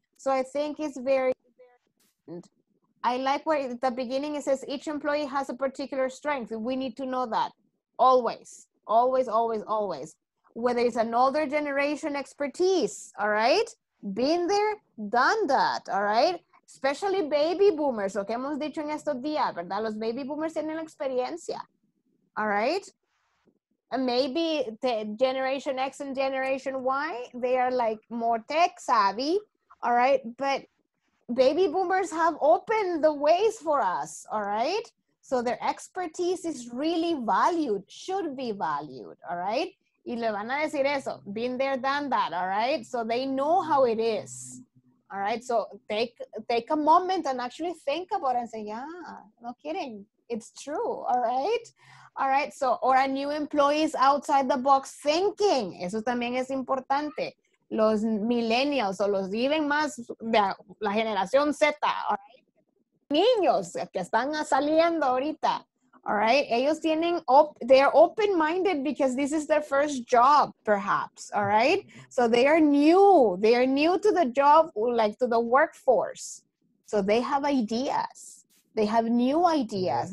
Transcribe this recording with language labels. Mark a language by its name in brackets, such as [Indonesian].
[English] So I think it's very, very important. I like where at the beginning it says each employee has a particular strength. We need to know that always, always, always, always. Whether it's an older generation expertise, all right? Been there, done that, all right? [Spanish] Especially baby boomers, lo que hemos dicho en estos días, ¿verdad? Los baby boomers tienen la experiencia, all right? [English] And maybe the Generation X and Generation Y, they are like more tech savvy, all right? But baby boomers have opened the ways for us, all right? So their expertise is really valued, should be valued, all right? [Spanish] Y le van a decir eso, [English] been there, done that, all right? So they know how it is. All right, so take a moment and actually think about it and say, yeah, no kidding, it's true, all right? All right, so, or a new employee is outside the box thinking. [Spanish] Eso también es importante. Los millennials o los even más, la generación Z, all right? Niños que están saliendo ahorita, all right? Ellos tienen, [English] they're open-minded because this is their first job, perhaps, all right? So they are new. They are new to the job, like to the workforce. So they have ideas. They have new ideas.